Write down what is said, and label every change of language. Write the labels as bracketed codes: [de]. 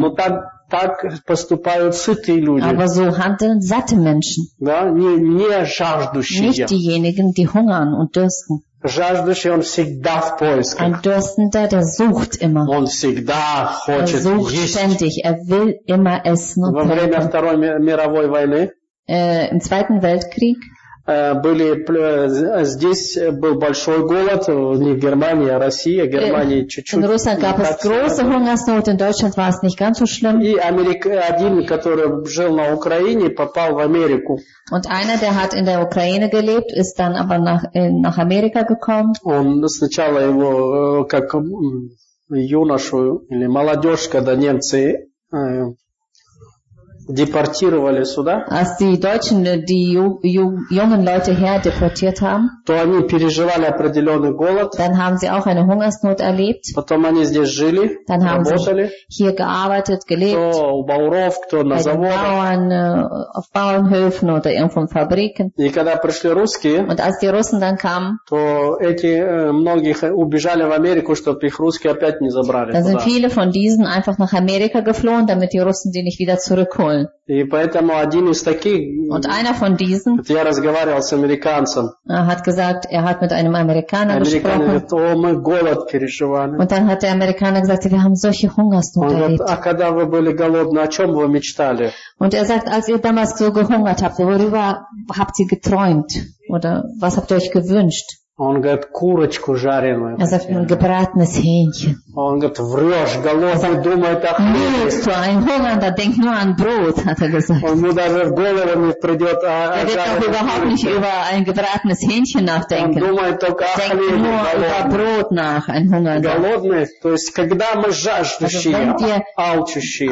[ru] Но так, так поступают сытые люди. [de] Aber so handeln satte Menschen. [ru] Да? Не жаждущие. [de] Nicht diejenigen, die hungern und dürsten. [ru] Жаждущий, он всегда в поисках. [de] Ein Dürstender, der sucht immer. [ru] Он всегда хочет есть. [de] Er sucht ständig. Er will immer essen und [ru] Во время Второй мировой войны [de] Im Zweiten Weltkrieg [ru] были здесь был большой голод, не в Германии, а в России, в Германии чуть-чуть. [de] In Russland gab es große Hungersnot, in Deutschland war es nicht ganz so schlimm. [ru] И один, который жил на Украине, попал в Америку. [de] Und einer, der hat in der Ukraine gelebt, ist dann aber nach Amerika gekommen. [ru] Он сначала его как юношу или молодежь, когда немцы депортировали сюда. [de] Als die Deutschen die jungen Leute her deportiert haben, [ru] то они переживали определенный голод. [de] Dann haben sie auch eine Hungersnot erlebt. [ru] Потом они здесь жили, [de] dann [ru] работали. [de] Haben sie hier gearbeitet, gelebt. [ru] Кто у Бауров, кто на заводах. [de] Bauern, auf Bauernhöfen oder irgendwo in Fabriken. [ru] И когда пришли русские, [de] und als die Russen dann kamen, [ru] то эти многих убежали в Америку, чтобы их русские опять не забрали. [de] Dann sind viele von diesen einfach nach Amerika geflohen, damit die Russen die nicht wieder zurück. [ru] И поэтому один из таких, [de] und einer von diesen, [ru] я разговаривал с американцем, [de] hat gesagt, hat mit einem Amerikaner gesprochen. [ru] Говорит, о, мы голод переживали. [de] Und dann hat der Amerikaner gesagt, wir haben solche Hungersnot erlebt. [ru] Говорит, а когда вы были голодны, о чем вы мечтали? [de] Und sagt, als ihr damals so gehungert habt, worüber habt ihr geträumt? Oder was habt ihr euch gewünscht? [ru] Он говорит, курочку жареную. [de] Er sagt, ein gebratenes Hähnchen. [ru] Он говорит, врешь, голодный, думает о хлебе. Нет, что, [de] ein Hungernder denkt nur an Brot, hat gesagt. [ru] Он ему даже в голову не придет, о жареной курочке. [de] Er wird doch überhaupt nicht über ein gebratenes Hähnchen nachdenken. [ru] Он думает только о хлебе, голодный. [de] Denkt nur über Brot nach, ein Hungernder. [ru] Голодный, то есть, когда мы жаждущие, алчущие,